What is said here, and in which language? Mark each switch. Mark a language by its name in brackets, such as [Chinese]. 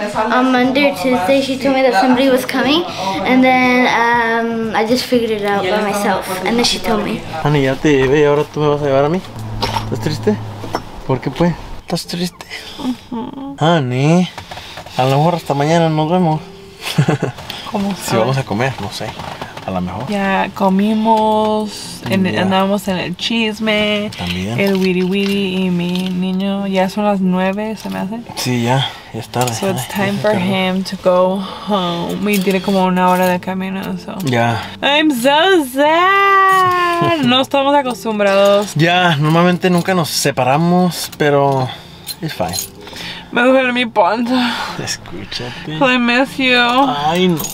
[English] On Monday or Tuesday, she told me that somebody was coming, and then I just figured it out by myself, and then she told me. [Spanish] Honey, ya te llevé, ahora tú me vas a llevar a mí. ¿Estás triste? ¿Por qué, pues? ¿Estás triste? Honey, a lo mejor hasta mañana nos vemos. ¿Cómo si vamos a comer? No sé, a lo mejor. Ya comimos, andábamos en el chisme, también. El wiri wiri y mi niño. Ya son las 9, ¿se me hace? Sí, ya es tarde. [English] So it's time for him to go home. [Spanish] Y tiene como una hora de camino, so. Ya. [English] I'm so sad. [Spanish] No estamos acostumbrados. Ya, normalmente nunca nos separamos, pero... [English] It's fine. [Spanish] Me duele mi panza. Escúchate. [English] I miss you. [Spanish] Ay, no.